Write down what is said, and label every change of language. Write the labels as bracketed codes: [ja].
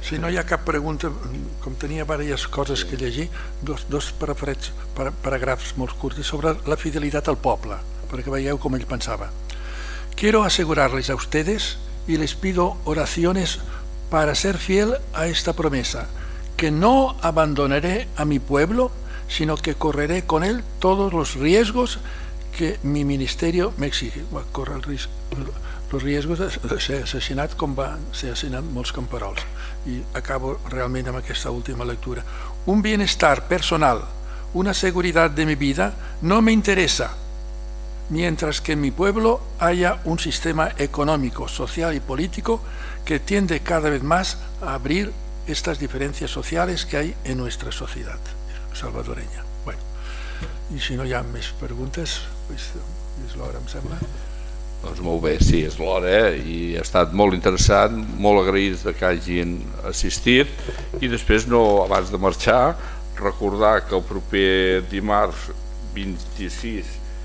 [ca] Si no hi ha cap pregunta, com tenia diverses coses sí que llegir, dos paràgrafs molt curts sobre la fidelitat al poble, perquè veieu com ell pensava. [es] Quiero asegurarles a ustedes y les pido oraciones para ser fiel a esta promesa, que no abandonaré a mi pueblo, sino que correré con él todos los riesgos que mi ministerio me exige. Corre los riesgos de ser [ca] asesinat com va ser asesinat molts camperols. I acabo realment amb aquesta última lectura. [es] Un bienestar personal, una seguridad de mi vida, no me interesa, mientras que en mi pueblo haya un sistema económico, social y político que tiende cada vez más a abrir estas diferencias sociales que hay en nuestra sociedad salvadoreña. [ca] Bueno, y si no hi ha més preguntes, pues, és l'hora, em sembla. Doncs molt bé, sí, és l'hora, eh? I ha estat molt interessant, molt agraïts que hagin assistit, i després, no abans de marxar, recordar que el proper dimarts 26